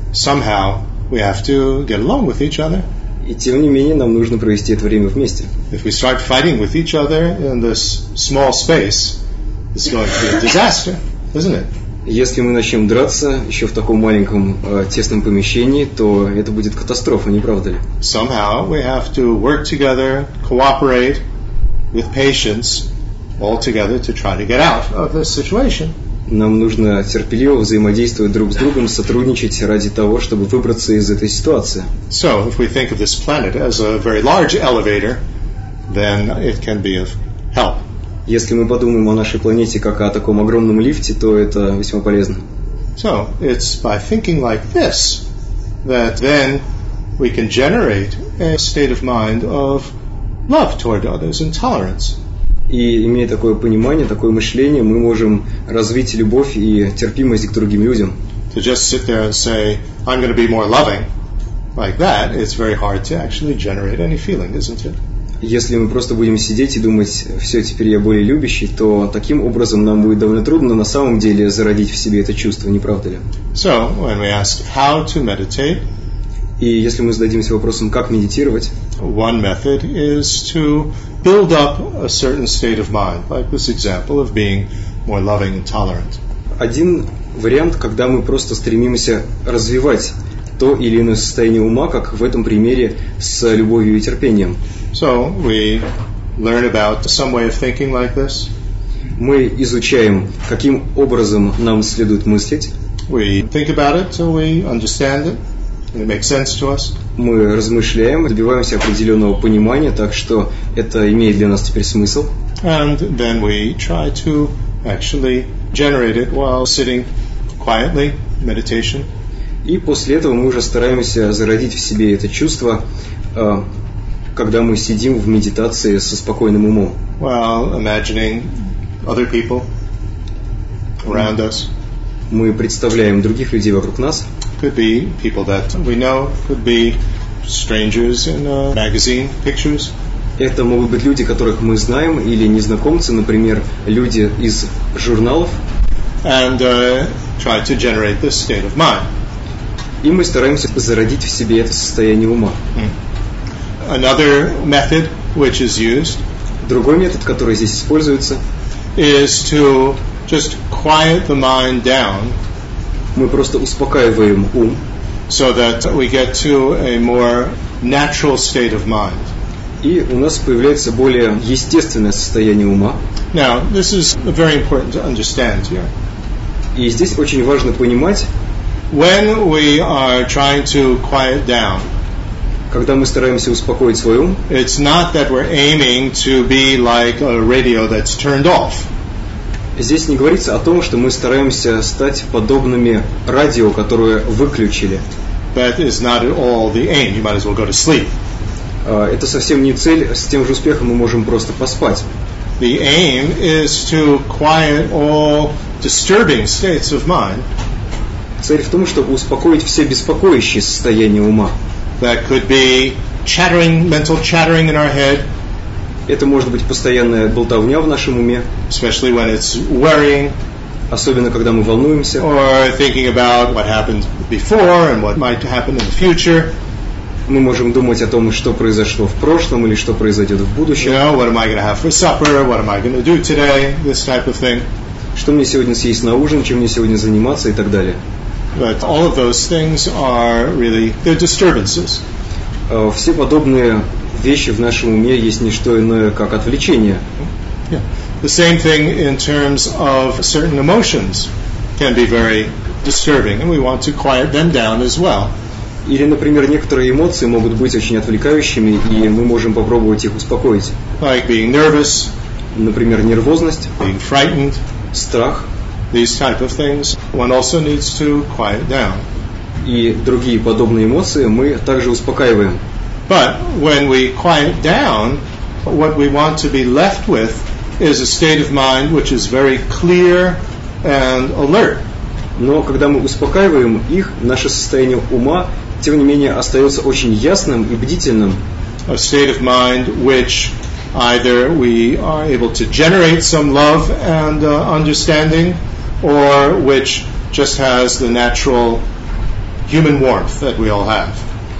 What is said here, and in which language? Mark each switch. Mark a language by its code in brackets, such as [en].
[en] Somehow we have to get along with each other. [ru] И тем не менее нам нужно провести это время вместе. [en] If we start fighting with each other in this small space, it's going to be a disaster, isn't it? [ru] Если мы начнем драться еще в таком маленьком тесном помещении, то это будет катастрофа, не правда ли? [en] Somehow we have to work together, cooperate with patience, all together to try to get out of this situation. [ru] Нам нужно терпеливо взаимодействовать друг с другом, сотрудничать ради того, чтобы выбраться из этой ситуации. [en] So, if we think of this planet as a very large elevator, then it can be of help. [ru] Если мы подумаем о нашей планете как о таком огромном лифте, то это весьма полезно. [en] So, it's by thinking like this that then we can generate a state of mind of love toward others and tolerance. [ru] И имея такое понимание, такое мышление, мы можем развить любовь и терпимость к другим людям. [en] To just sit there and say, I'm going to be more loving, like that, it's very hard to actually generate any feeling, isn't it? [ru] Если мы просто будем сидеть и думать, все, теперь я более любящий, то таким образом нам будет довольно трудно на самом деле зародить в себе это чувство, не правда ли? [en] So, when we ask how to meditate, [ru] и если мы зададимся вопросом, как медитировать, [en] one method is to build up a certain state of mind, like this example of being more loving and tolerant. [ru] Один вариант, когда мы просто стремимся развивать то или иное состояние ума, как в этом примере с любовью и терпением. [en] So we learn about some way of thinking like this. [ru] Мы изучаем, каким образом нам следует мыслить. [en] We think about it till we understand it. It makes sense to us. [ru] Мы размышляем, добиваемся определенного понимания, так что это имеет для нас теперь смысл. [en] And then we try to actually generate it while sitting quietly, meditation. [ru] И после этого мы уже стараемся зародить в себе это чувство, когда мы сидим в медитации со спокойным умом. [en] While imagining other people around us. [ru] Мы представляем других людей вокруг нас. [en] Could be people that we know, could be strangers in magazine pictures. [ru] Это могут быть люди, которых мы знаем, или незнакомцы, например, люди из журналов. [en] And try to generate this state of mind. [ru] И мы стараемся зародить в себе это состояние ума. [en] Another method which is used, [ru] другой метод, который здесь используется, [en] is to just quiet the mind down. [ru] Мы просто успокаиваем ум, [en] so that we get to a more natural state of mind. [ru] И у нас появляется более естественное состояние ума. [en] Now, this is very important to understand here. [ru] И здесь очень важно понимать, [en] when we are trying to quiet down, [ru] когда мы стараемся успокоить свой ум, [en] it's not that we're aiming to be like a radio that's turned off. [ru] Здесь не говорится о том, что мы стараемся стать подобными радио, которое выключили. [en] That is not at all the aim. You might as well go to sleep. [ru] Это совсем не цель. С тем же успехом мы можем просто поспать. [en] The aim is to quiet all disturbing states of mind. [ru] Цель в том, чтобы успокоить все беспокоящие состояния ума. [en] That could be chattering, mental chattering in our head. [ru] Это может быть постоянная болтовня в нашем уме. [en] Especially when it's worrying. [ru] Особенно когда мы волнуемся. [en] Or thinking about what happened before and what might happen in the future. [ru] Мы можем думать о том, что произошло в прошлом или что произойдет в будущем. [en] You know, what am I going to have for supper? What am I going to do today? This type of thing. [ru] Что мне сегодня съесть на ужин, чем мне сегодня заниматься и так далее. [en] But all of those things are really they're disturbances. [ru] Все подобные вещи в нашем уме есть не что иное, как отвлечение. [en] Yeah. The same thing in terms of certain emotions can be very disturbing, and we want to quiet them down as well. [ru] Или, например, некоторые эмоции могут быть очень отвлекающими, и мы можем попробовать их успокоить. [en] Like being nervous, [ru] например, нервозность, [en] being frightened, [ru] страх. [en] These type of things one also needs to quiet down. [ru] И другие подобные эмоции мы также успокаиваем. [en] But when we quiet down, what we want to be left with is a state of mind which is very clear and alert. [ru] Но когда мы успокаиваем их, наше состояние ума, тем не менее, остается очень ясным и бдительным. [en] A state of mind which either we are able to generate some love and understanding, or which just has the natural human warmth that we all have.